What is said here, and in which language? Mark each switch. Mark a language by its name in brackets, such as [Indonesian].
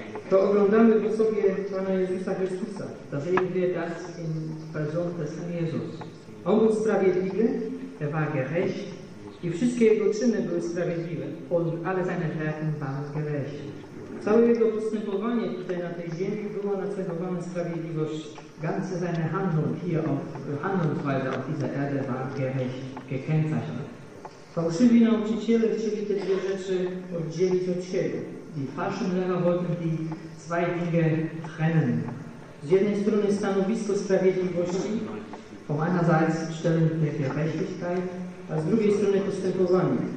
[Polish] To oglądamy w osobie Pana Jezusa Chrystusa. [German] Da sehen wir das in Person des Jesus. [Polish] On był sprawiedliwy. [German] Er war gerecht. [Polish] I wszystkie jego czyny były sprawiedliwe. [German] Und alle seine Werke waren gerecht. [Polish] Całe jego postępowanie tutaj na tej ziemi było nacechowane sprawiedliwością. [German] Ganze seine Handlung hier auf Handlungsweise auf dieser Erde war gerecht gekennzeichnet. [Polish] Fałszywi nauczyciele chcieli te dwie rzeczy oddzielić od siebie. [German] Die falschen Lehrer wollten die zwei Dinge trennen. [Polish] Z jednej strony stanowisko sprawiedliwości, [German] von einer Seite Stellung der Gerechtigkeit, [Polish] a z drugiej strony postępowanie.